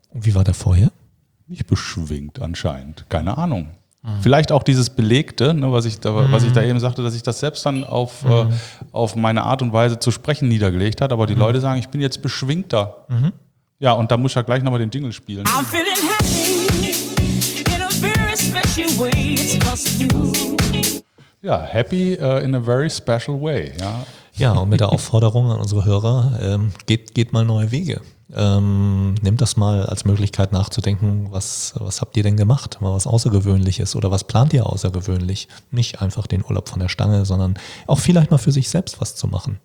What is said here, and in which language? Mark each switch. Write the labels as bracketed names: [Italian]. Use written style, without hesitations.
[German] Und wie war der vorher? Nicht beschwingt anscheinend, keine Ahnung. Vielleicht auch dieses Belegte, was ich da eben sagte, dass ich das selbst dann auf meine Art und Weise zu sprechen niedergelegt hat. Aber die Leute sagen, ich bin jetzt beschwingter. Mhm. Ja, und da muss ich ja gleich nochmal den Jingle spielen. [English] I'm feeling happy in a very special way. It's 'cause of you. [German] Ja, [English] happy in a very special way. [German] Ja. Ja, und mit der Aufforderung an unsere Hörer, geht mal neue Wege. Nehmt das mal als Möglichkeit nachzudenken, was habt ihr denn gemacht? Mal was Außergewöhnliches oder was plant ihr außergewöhnlich? Nicht einfach den Urlaub von der Stange, sondern auch vielleicht mal für sich selbst was zu machen.